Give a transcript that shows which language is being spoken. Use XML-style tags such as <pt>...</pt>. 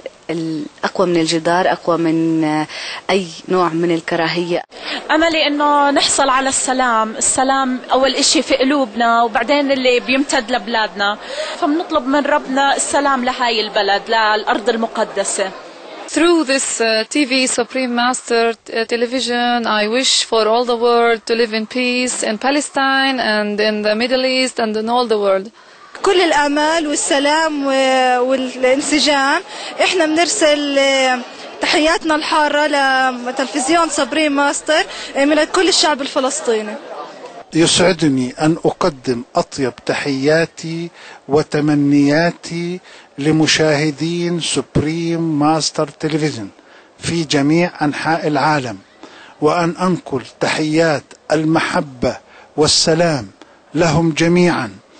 <ar>الأقوى من الجدار، أقوى من أي نوع من الكراهية. أملي أنه نحصل على السلام، السلام أول إشي في قلوبنا وبعدين اللي بيمتد لبلادنا، فمنطلب من ربنا السلام لهاي البلد، للأرض المقدسة.</ar> <en>Through this TV Supreme Master television, I wish for all the world to live in peace in Palestine and in the Middle East and in all the world.</en> <ar>كل الآمال والسلام والانسجام. إحنا بنرسل تحياتنا الحارة لتلفزيون سوبريم ماستر من كل الشعب الفلسطيني. يسعدني أن أقدم أطيب تحياتي وتمنياتي لمشاهدين سوبريم ماستر تلفزيون في جميع أنحاء العالم، وأن أنقل تحيات المحبة والسلام لهم جميعا</ar>